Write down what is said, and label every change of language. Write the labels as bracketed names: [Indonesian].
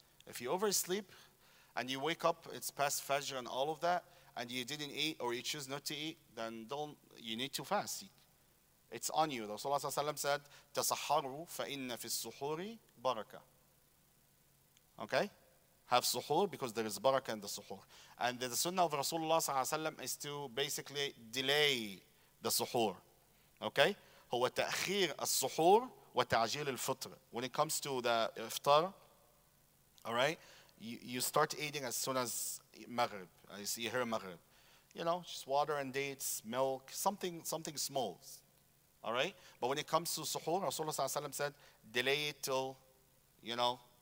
[English] If you oversleep and you wake up, it's past Fajr and all of that, and you didn't eat or you choose not to eat, then you need to fast. It's on you. Rasulullah sallallahu alayhi wa sallam said, [Arabic] تَصَحَّرُوا فَإِنَّ فِي السُّحُورِ بَرَكَةً. [English] Okay? Have suhoor because there is barakah in the suhoor. And the sunnah of Rasulullah sallallahu alayhi wa sallam is to basically delay the suhoor, okay? [Arabic] هو تأخير السحور وتعجيل الفطر. [English] When it comes to the iftar, all right, you start eating as soon as maghrib. You hear maghrib, you know, just water and dates, milk, something small, all right. But when it comes to suhoor, Rasulullah sallallahu alaihi wasallam said, delay it till, you know,